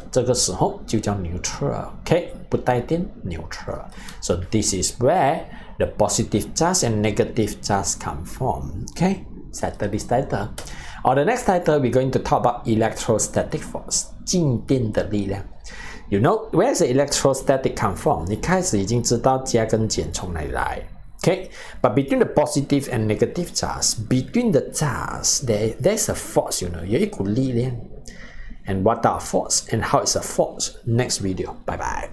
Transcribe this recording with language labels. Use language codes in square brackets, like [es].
[zh] 这个时候就叫 neutral, okay? 不带电 neutral. [en] So this is where the positive charge and negative charge come from, okay? Settle this title. Or the next title, we're going to talk about electrostatic force, [zh] 静电的力量。 [en] You know, where's the electrostatic come from? [zh] 你开始已经知道加跟减从哪里来。 [en] Okay, but between the positive and negative charge, between the charge, there's a force, you know, [zh] 有一股力量. [en] And what are force and how is a force? Next video, bye bye.